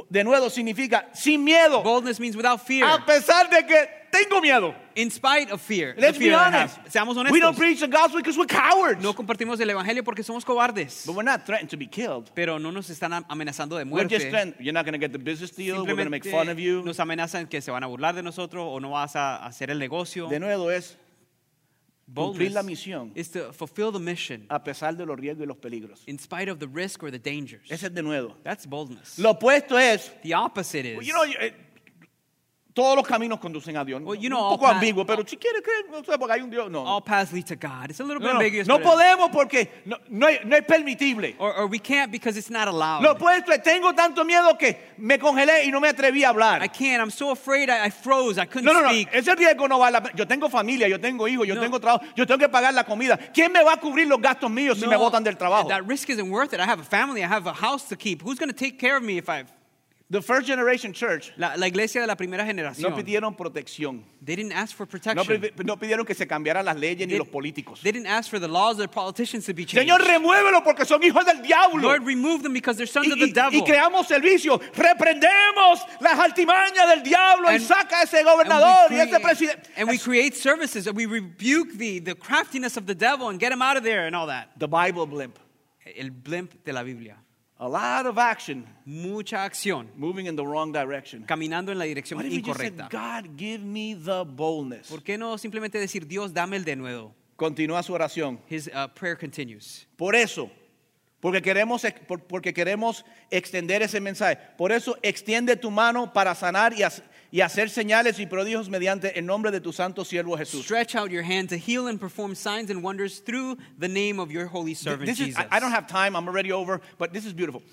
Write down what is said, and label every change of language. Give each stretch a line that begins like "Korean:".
Spanish: Denuedo significa sin miedo.
English: Boldness means without fear.
Spanish: A pesar de que tengo miedo.
English: In spite of fear. Let's fear be honest.
Spanish: Seamos honestos.
English: We don't preach the gospel because we're cowards.
Spanish: No compartimos el evangelio porque somos cobardes.
English: But we're not threatened to be killed. Pero no nos están amenazando de muerte. We're just threatened. You're not going to get the business deal. We're going to make fun of you.
Spanish: Nos amenazan que se van a burlar de nosotros o no vas a hacer el negocio. Denuedo es cumplir la misión.
English: Is to fulfill the mission.
Spanish: A pesar de los riesgos y los peligros.
English: In spite of the risk or the dangers.
Spanish: Ese es denuedo.
English: That's boldness.
Spanish: Lo opuesto es.
English: The opposite is. You know,
Spanish: todos los caminos conducen a Dios.
English: Well, you know,
Spanish: un poco ambiguo, pero si quieres creer, no sé, porque hay un Dios. No.
English: All paths lead to God. It's a little bit ambiguous.
Spanish: No podemos porque no es permitible.
English: Or we can't because it's not allowed.
Spanish: Lo opuesto es, tengo tanto miedo que me congelé y no me atreví a hablar.
English: I can't. I'm so afraid. I froze. I couldn't speak.
Spanish: No. Ese riesgo no vale. Yo tengo familia, yo tengo hijos, yo tengo trabajo. Yo tengo que pagar la comida. ¿Quién me va a cubrir los gastos míos si me botan del trabajo?
English: That risk isn't worth it. I have a family. I have a house to keep. Who's going to take care of me if I've... The first generation church.
Spanish: La iglesia de la primera generación. No pidieron protección.
English: They didn't ask for protection.
Spanish: No pidieron que se cambiaran las leyes ni los políticos.
English: They didn't ask for the laws or politicians to be changed.
Spanish: Señor, remuévelo porque son hijos del diablo.
English: Lord, remove them because they're sons of the devil.
Spanish: Y creamos servicio. Reprendemos las altimañas del diablo y saca ese gobernador y ese presidente.
English: And we create services and we rebuke the craftiness of the devil and get him out of there and all that. The Bible blimp.
Spanish: El blimp de la Biblia.
English: A lot of action.
Spanish: Mucha acción.
English: Moving in the wrong direction.
Spanish: Caminando en la dirección incorrecta.
English: Why did you just say, God, give me the boldness?
Spanish: ¿Por qué no simplemente decir, Dios, dame el de nuevo? Continúa su oración.
English: His prayer continues.
Spanish: Por eso, porque queremos extender ese mensaje. Por eso, extiende tu mano para sanar y hacer señales y prodigios mediante el nombre de tu santo siervo Jesús.
English: Stretch out your hand to heal and perform signs and wonders through the name of your holy servant Jesus. I don't have time, I'm already over, but this is beautiful.